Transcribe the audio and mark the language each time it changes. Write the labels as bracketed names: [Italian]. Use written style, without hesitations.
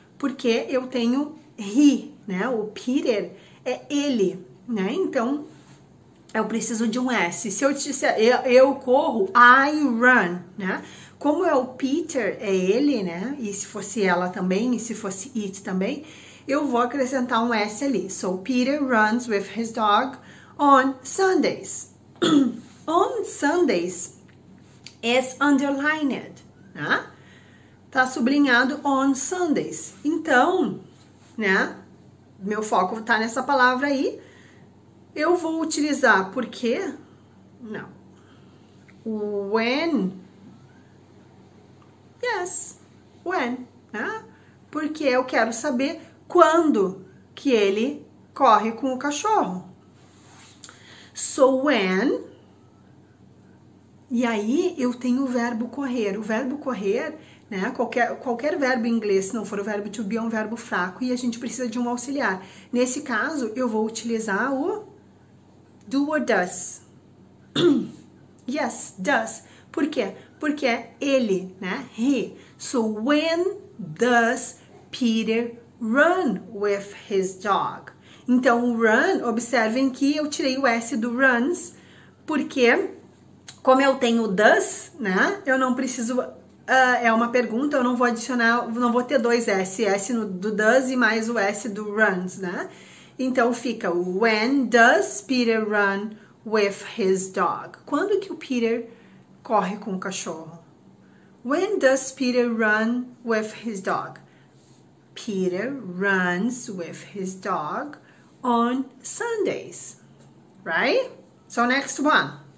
[Portuguese] Porque eu tenho he, né? O Peter é ele, né? Então, eu preciso de um S. Se eu disser eu corro, [English] I run, [Portuguese] né? Como é o Peter, é ele, né? E se fosse ela também, e se fosse it também, eu vou acrescentar um S ali. [English] So, Peter runs with his dog on Sundays. On Sundays is underlined, né? [Portuguese] Tá sublinhado [English] on Sundays. [Portuguese] Então, né? Meu foco tá nessa palavra aí. Eu vou utilizar porque... Não. [English] When... Yes, when, né? [Portuguese] Porque eu quero saber quando que ele corre com o cachorro. [English] So, when, [Portuguese] e aí eu tenho o verbo correr. O verbo correr, né? Qualquer verbo em inglês, se não for o verbo to be, é um verbo fraco e a gente precisa de um auxiliar. Nesse caso, eu vou utilizar o do or does. [English] Yes, does. [Portuguese] Por quê? Porque é ele, né? He. [English] So, when does Peter run with his dog? [Portuguese] Então, run, observem que eu tirei o S do runs, porque como eu tenho does, né? Eu não preciso, é uma pergunta, eu não vou adicionar, não vou ter dois S. S no, do does e mais o S do runs, né? Então, fica, [English] when does Peter run with his dog? [Portuguese] Quando que o Peter corre com o cachorro? [English] When does Peter run with his dog? Peter runs with his dog on Sundays. Right? So next one.